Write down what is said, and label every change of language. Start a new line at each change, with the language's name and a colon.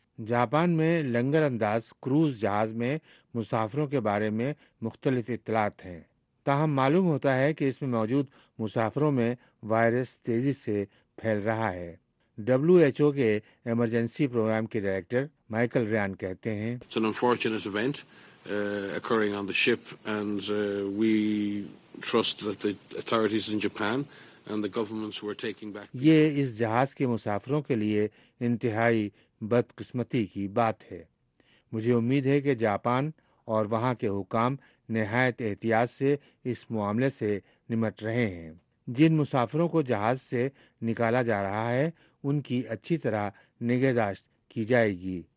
Urdu: Japan میں لنگر انداز کروز جہاز میں مسافروں کے بارے میں مختلف اطلاعات ہیں, تاہم معلوم ہوتا ہے کہ اس میں موجود مسافروں میں وائرس تیزی سے پھیل رہا ہے. ڈبلیو ایچ او کے ایمرجنسی پروگرام کے ڈائریکٹر مائیکل ریان کہتے ہیں,
English: It's an unfortunate event occurring on the ship and we trust that the authorities in Japan and the governments were taking back.
Urdu: یہ اس جہاز کے مسافروں کے لیے انتہائی بدقسمتی کی بات ہے. مجھے امید ہے کہ جاپان اور وہاں کے حکام نہایت احتیاط سے اس معاملے سے نمٹ رہے ہیں. جن مسافروں کو جہاز سے نکالا جا رہا ہے ان کی اچھی طرح نگہداشت کی جائے گی.